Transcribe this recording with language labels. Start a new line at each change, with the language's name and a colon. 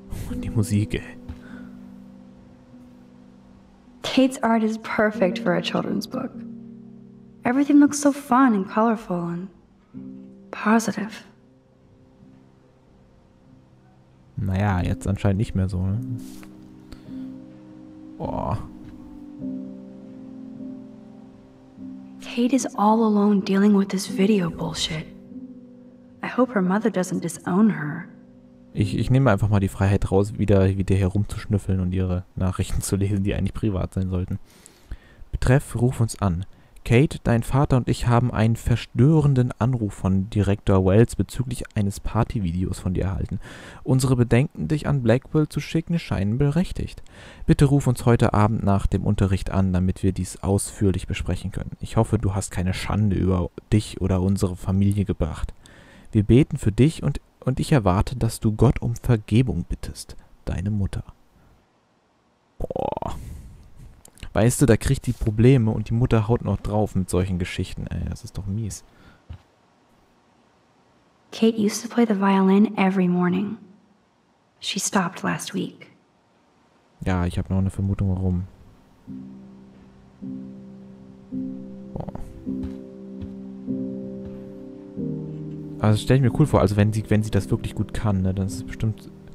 German: Und die Musik, ey.
English: Kate's art is perfect for a children's book. Everything looks so fun and colorful and positive.
German: Naja, jetzt anscheinend nicht mehr so, ne? Oh.
English: Kate is all alone dealing with this video bullshit. I hope her mother doesn't disown her.
German: Ich nehme einfach mal die Freiheit raus, wieder herumzuschnüffeln und ihre Nachrichten zu lesen, die eigentlich privat sein sollten. Betreff, ruf uns an. Kate, dein Vater und ich haben einen verstörenden Anruf von Direktor Wells bezüglich eines Partyvideos von dir erhalten. Unsere Bedenken, dich an Blackwell zu schicken, scheinen berechtigt. Bitte ruf uns heute Abend nach dem Unterricht an, damit wir dies ausführlich besprechen können. Ich hoffe, du hast keine Schande über dich oder unsere Familie gebracht. Wir beten für dich und ich erwarte, dass du Gott um Vergebung bittest. Deine Mutter. Boah. Weißt du, da kriegt die Probleme und die Mutter haut noch drauf mit solchen Geschichten. Ey, das ist doch mies.
English: Kate used to play the violin every morning. She stopped last week.
German: Ja, ich habe noch eine Vermutung, warum. Boah. Also stell ich mir cool vor, also wenn sie das wirklich gut kann, ne, dann ist es bestimmt...